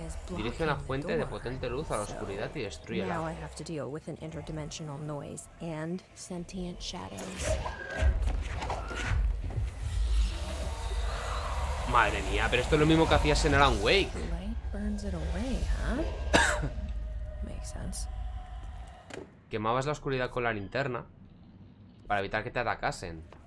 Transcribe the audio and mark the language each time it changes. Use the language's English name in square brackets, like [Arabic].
[Spanish] Dirige una fuente de potente luz a la oscuridad y destruye. [English] Now I have to deal with an interdimensional noise and sentient shadows. [Spanish] Madre mía, pero esto es lo mismo que hacías en Alan Wake. [English] Makes sense. [Spanish] Quemabas la oscuridad con la linterna para evitar que te atacasen.